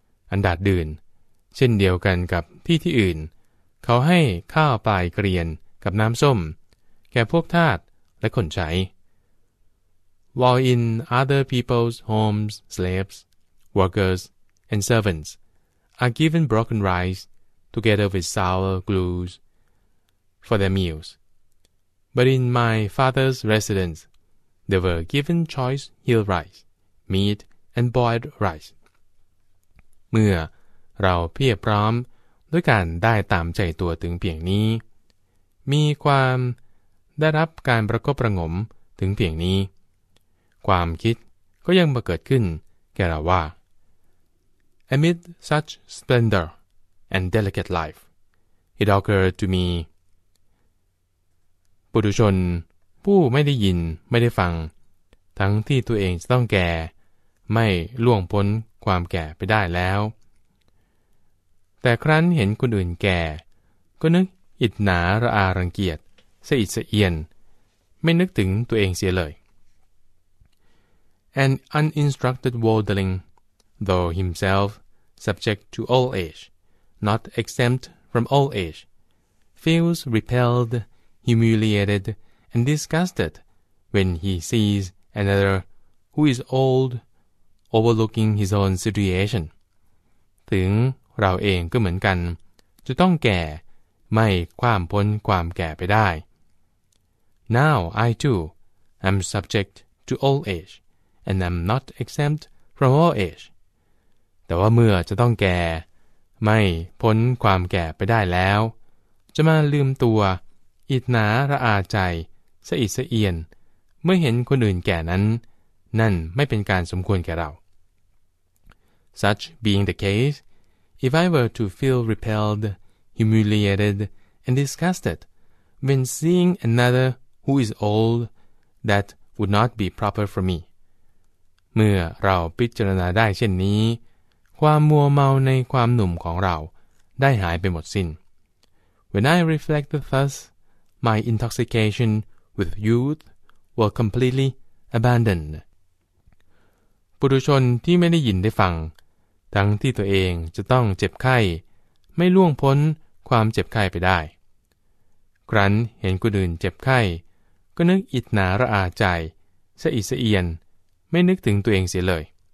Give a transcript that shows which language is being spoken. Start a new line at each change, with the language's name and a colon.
Thai: อันดาดดื่นเช่นเดียวกันกับที่ที่อื่นเขาให้ข้าวปลายเกรียนกับน้ำส้มแก่พวกทาสและคนใช้
English: While in other people's homes, slaves, workers, and servants are given broken rice together with sour glues for their meals. But in my father's residence, they were given choice hill rice. Meat and boiled rice.
Thai: เมื่อเราเพียบพร้อมด้วยการได้ตามใจตัวถึงเพียงนี้มีความได้รับการประคบประงมถึงเพียงนี้ความคิดก็ยังมาเกิดขึ้นแก่เราว่า
English: Amid such splendor, and delicate life. It occurred to me.
Thai: ปุถุชนผู้ไม่ได้ยินไม่ได้ฟังทั้งที่ตัวเองจะต้องแก่ไม่ล่วงพ้นความแก่ไปได้แล้วแต่ครั้นเห็นคนอื่นแก่ก็นึกอิจฉาระอารังเกียจสะอิดสะเอียนไม่นึกถึงตัวเองเสียเลย
English: An uninstructed worldling, though himself subject to old age, not exempt from old age, feels repelled, humiliated, and disgusted when he sees another who is old overlooking his own situation.
Thai: ถึงเราเองก็เหมือนกันจะต้องแก่ไม่ข้ามพ้นความแก่ไปได้
English: Now I too am subject to old age and am not exempt from old age.
Thai: แต่ว่าเมื่อจะต้องแก่ไม่พ้นความแก่ไปได้แล้วจะมาลืมตัวอิจฉาระอาใจสะอิดสะเอียนเมื่อเห็นคนอื่นแก่นั้นนั่นไม่เป็นการสมควรแก่เรา
English: Such being the case, if I were to feel repelled, humiliated, and disgusted,When seeing another who is old, that would not be proper for me.
Thai: เมื่อเราพิจารณาได้เช่นนี้ความมัวเมาในความหนุ่มของเราได้หายไปหมดสิ้น
English: When I reflect thus, my intoxication with youth were completely abandoned.
Thai: ปุถุชนที่ไม่ได้ยินได้ฟังทั้งที่ตัวเองจะต้องเจ็บไข้ไม่ล่วงพ้นความเจ็บไข้ไปได้ครั้นเห็นคนอื่นเจ็บไข้ก็นึกอิจฉาระอาใจสะอิดสะเอียนไม่นึกถึงตัวเองเสียเลย